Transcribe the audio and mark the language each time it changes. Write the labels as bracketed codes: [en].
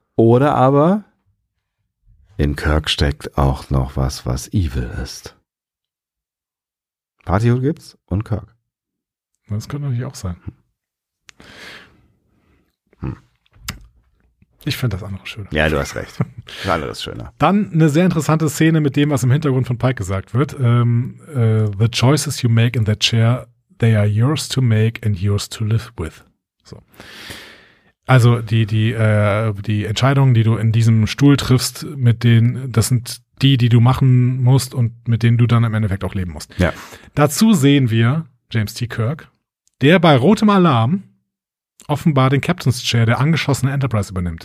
[de] Oder aber in Kirk steckt auch noch was, was evil ist. Partyhut gibt's und Kirk. Das könnte natürlich auch sein. Ich finde das andere schöner. Ja, du hast recht. Das andere ist schöner. Dann eine sehr interessante Szene mit dem, was im Hintergrund von Pike gesagt wird. [en] The choices you make in that chair, they are yours to make and yours to live with. [de] So. Also die Entscheidungen, die du in diesem Stuhl triffst, mit denen, das sind die du machen musst und mit denen du dann im Endeffekt auch leben musst. Ja. Dazu sehen wir James T. Kirk, der bei rotem Alarm offenbar den Captain's Chair der angeschossenen Enterprise übernimmt.